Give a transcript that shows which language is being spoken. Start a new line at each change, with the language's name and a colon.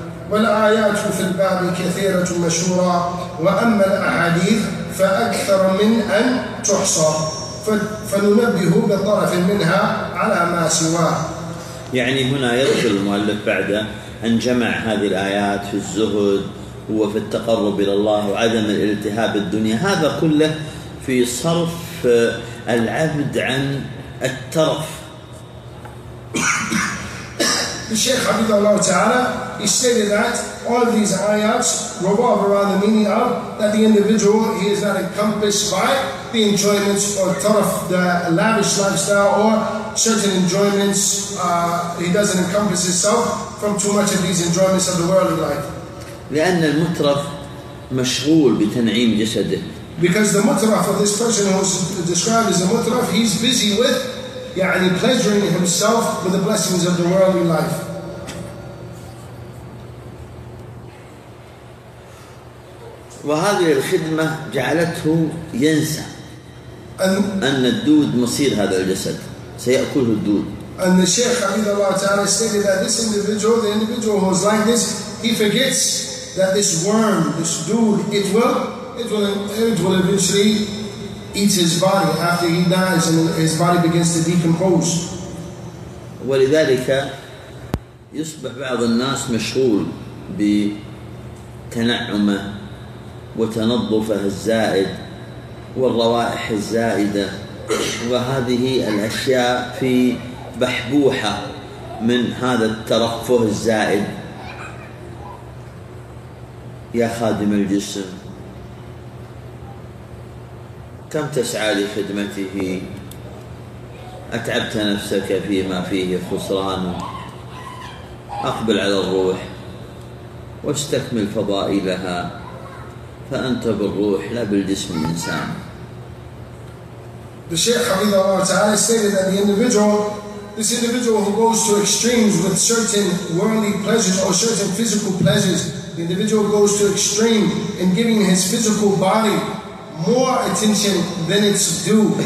Arabic: والآيات في الباب كثيرة مشهورة وأما الأحاديث فأكثر من أن تحصى فننبه بطرف منها على ما سواه. يعني هنا يدخل المؤلف بعد أن جمع هذه الآيات في الزهد هو في التقرب إلى الله وعدم الالتهاب الدنيا هذا كله في صرف العبد عن الترف. الشيخ حفظه الله تعالى
English: he stated that all of these ayats revolve around the meaning of that the individual he is not encompassed by the enjoyments or taraf, the lavish lifestyle or certain enjoyments he doesn't encompass himself from too much of these enjoyments of the worldly life.
Arabic: لأن المترف مشغول بتنعيم جسده.
English: Because the mutraf of this person who is described as a mutraf, he's busy with يعني pleasuring himself with the blessings of the worldly life.
Arabic: وهذه الخدمة جعلته ينسى أن الدود مصير هذا الجسد سيأكله الدود.
English: And the Sheikh
Arabic: حفظه الله تعالى
English: stated that this individual, the individual who is like this, he forgets that this worm, this dude, it will eventually eat his body after he dies and his body begins to decompose.
Arabic: ولذلك يصبح بعض الناس مشغول بتنعمه وتنظفه الزائد والروائح الزائدة وهذه الأشياء في بحبوحة من هذا الترفه الزائد. يا خادم الجسم كم تسعى لخدمته أتعبت نفسك فيما فيه خسران أقبل على الروح واستكمل فضائلها فأنت بالروح لا بالجسم الإنسان.
English: The Shaykh
Arabic: حفظه الله تعالى
English: stated that this individual who goes to extremes with certain worldly pleasures or certain physical pleasures, the individual goes to extreme in giving his physical body more attention than it's due.